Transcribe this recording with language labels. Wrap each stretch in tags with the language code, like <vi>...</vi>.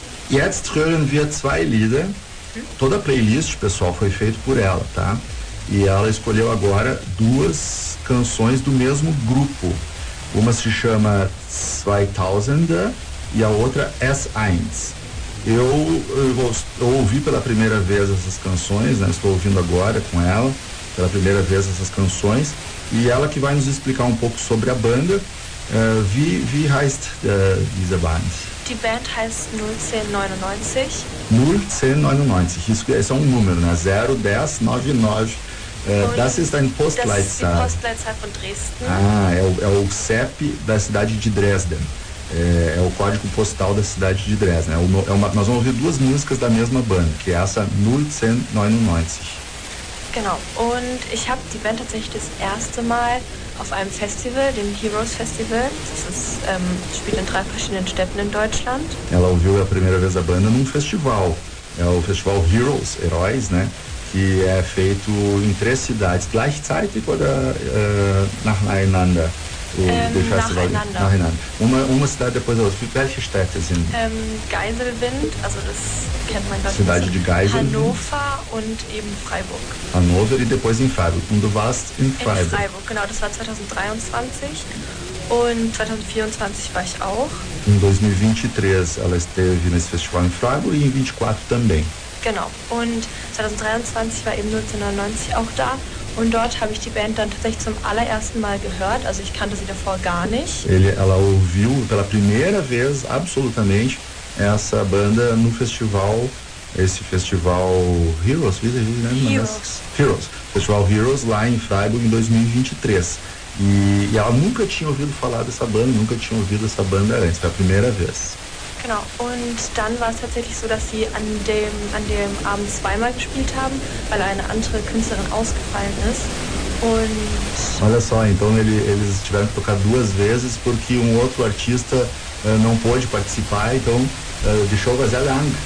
<de>Jetzt hören wir zwei Lieder.</de> <pt>Toda a playlist, pessoal, foi feita por ela, tá? E ela escolheu agora duas canções do mesmo grupo. Uma se chama 2000 e a outra S1. Eu ouvi pela primeira vez essas canções, né? Estou ouvindo agora com ela pela primeira vez essas canções. E ela que vai nos explicar um pouco sobre a banda.</pt> <de>Wie heißt diese Band? Die Band heißt 01099.</de> <pt>01099, isso é um número, né? 01099.</pt> <de>Das ist ein Postleitzahl. Das ist die Postleitzahl von Dresden.</de> <pt>Ah, é o CEP da cidade de Dresden. É o código postal da cidade de Dresden. Nós vamos ouvir duas músicas da mesma banda, que é essa 01099.</pt> <de>Genau, und ich habe die Band tatsächlich das erste Mal auf einem Festival, dem Heroes Festival. Das ist, spielt in drei verschiedenen Städten in Deutschland.</de> <pt>Ela ouviu a primeira vez a banda num festival. É o festival Heroes, Heróis, né? Que é feito em três cidades,</pt> <de>gleichzeitig oder nacheinander? Nacheinander.</de> <pt>Uma cidade depois da outra.</pt> <de>Welche Städte sind? Geiselwind, also das kennt man das.</de> <pt>Cidade de Geiselwind.</pt> <de>Hannover und eben Freiburg.</de> <pt>Hannover e depois em Freiburg.</pt> <de>Und du warst in Freiburg. In Freiburg, genau. Das war 2023. Und 2024 war ich auch.</de> <pt>Em 2023 ela esteve nesse festival em Freiburg e em 24 também.</pt> <de>Genau. Und 2023 war eben 1999 auch da. Und dort habe ich die Band dann tatsächlich zum allerersten Mal gehört, also ich kannte sie davor gar nicht.</de> <pt>Ela ouviu pela primeira vez absolutamente essa banda no festival, esse festival Heroes,</pt> <de>wie heißt das?</de> <en>Heroes.</en> <pt>Festival Heroes lá em Freiburg em 2023. E ela nunca tinha ouvido falar dessa banda, nunca tinha ouvido essa banda antes, foi a primeira vez.</pt> <de>Genau, und dann war es tatsächlich so, dass sie an dem Abend zweimal gespielt haben, weil eine andere Künstlerin ausgefallen ist. Und</de> <pt>olha só, então eles tiveram que tocar duas vezes porque outro artista não pôde participar, então</pt> <de>die Show war sehr lang.</de>